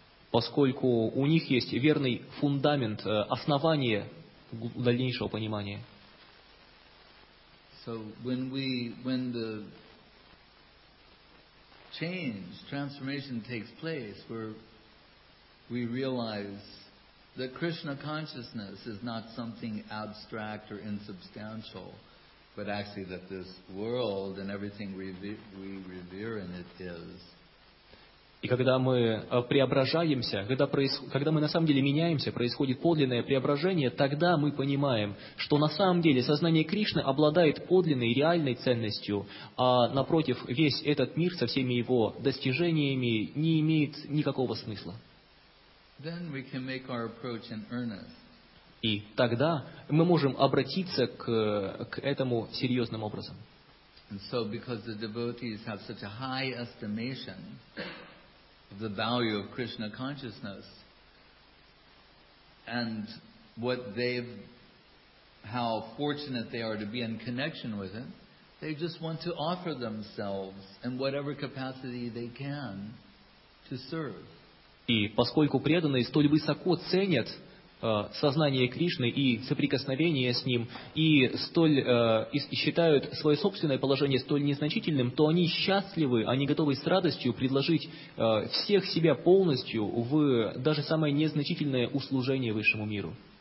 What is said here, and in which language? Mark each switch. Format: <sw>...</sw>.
<ru>Поскольку у них есть верный фундамент, основание дальнейшего понимания.</ru> <en>So when the change, transformation takes place, we realize that Krishna consciousness is not something abstract or insubstantial, but actually that this world and everything we revere in it is.</en> <ru>И когда мы преображаемся, когда мы на самом деле меняемся, происходит подлинное преображение, тогда мы понимаем, что на самом деле сознание Кришны обладает подлинной, реальной ценностью, а напротив, весь этот мир со всеми его достижениями не имеет никакого смысла.</ru> <en>Then we can make our approach in earnest.</en> <ru>И тогда мы можем обратиться к этому серьезным образом.</ru> <en>And so because the devotees have such a high estimation of the value of Krishna consciousness and what they've how fortunate they are to be in connection with it, they just want to offer themselves in whatever capacity they can to serve.</en> <ru>И поскольку преданные столь высоко ценят сознание Кришны и соприкосновение с Ним, и считают свое собственное положение столь незначительным, то они счастливы, они готовы с радостью предложить всех себя полностью в даже самое незначительное услужение высшему миру.</ru>